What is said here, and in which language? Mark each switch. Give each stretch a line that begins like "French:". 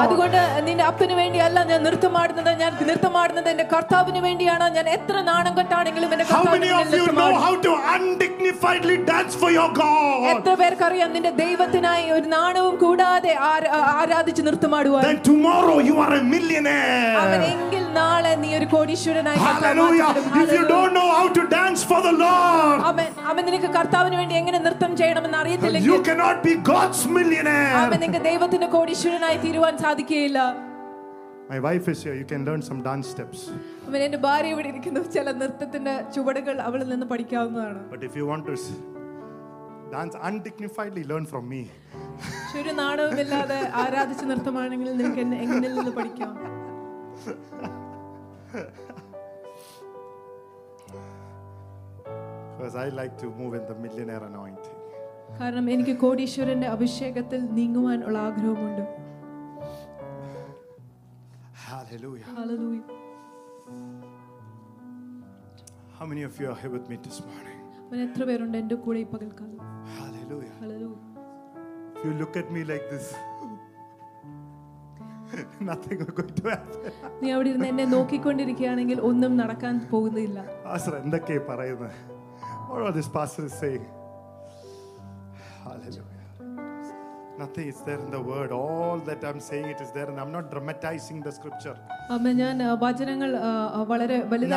Malayalam: അതുകൊണ്ട് നിന്റെ അപ്പന് വേണ്ടിയല്ല ഞാൻ നൃത്തം ആടുന്നത്, ഞാൻ നൃത്തം ആടുന്നത് എന്റെ കർത്താവിന് വേണ്ടിയാണ്. ഞാൻ എത്ര നാണം കെട്ടാണെങ്കിലും എന്റെ കർത്താവിന് വേണ്ടി നൃത്തം ആടും.
English: How many of you know how to undignifiedly dance for your God?
Malayalam: എത്ര പേർക്ക് അറിയാം നിന്റെ ദൈവത്തിനായി ഒരു നാണവും കൂടാതെ ആരാധിച്ച് നൃത്തം ആടുവാൻ?
English: Then tomorrow you are a millionaire.
Malayalam: അവനെങ്കിൽ നാളെ നീ ഒരു കോടീശ്വരനായി.
English: Hallelujah. If you don't know how to dance for the Lord,
Malayalam: അവൻ നിനക്ക് കർത്താവിന് വേണ്ടി എങ്ങനെ നൃത്തം ചെയ്യണമെന്ന് അറിയില്ലെങ്കിൽ
English: you cannot be God's millionaire.
Malayalam: അവൻ നിനക്ക് ദൈവത്തിന്റെ കോടീശ്വരനായി തീരുവാൻ സാധിക്കില്ല.
English: My wife is here, you can learn some dance steps.
Malayalam: അവനെ എന്റെ ഭാര്യ ഇവിടെ ഇരിക്കുന്നു, ചില നൃത്തത്തിന്റെ ചുവടുകൾ അവളിൽ നിന്ന് പഠിക്കാവുന്നതാണ്.
English: But if you want to dance undignifiedly, learn from me.
Malayalam: ഒരു നാണവുമില്ലാതെ ആരാധിച്ച് നൃത്തമാണെങ്കിൽ നിനക്ക് എങ്ങനെ നിന്ന് പഠിക്കാം?
English: Because I like to move in the millionaire anointing.
Malayalam: കാരണം എനിക്ക് കോടീശ്വരന്റെ അഭിഷേകത്തിൽ നീങ്ങുവാൻ ഉള്ള ആഗ്രഹമുണ്ട്.
English: Hallelujah. Hallelujah. How many of you are here with me this morning?
Malayalam: ഞാൻ എത്ര പേരുണ്ട് എൻ്റെ കൂടെ ഈ പകൽക്കാലം?
English: Hallelujah. Hallelujah. If you look at me like this, nothing is going to happen.
Malayalam: നീ അവിടെ ഇരുന്ന് എന്നെ നോക്കിക്കൊണ്ടിരിക്കുകയാണെങ്കിൽ ഒന്നും നടക്കാൻ പോകുന്നില്ല. പാസ്റ്റർ എന്തൊക്കെ പറയുന്നത്?
English: What are these pastors saying? Hallelujah. Nothing is there in the word. All that I'm saying, it is there. And I'm not dramatizing the scripture.
Malayalam: Amen. ഞാൻ വചനങ്ങൾ വളരെ വലുത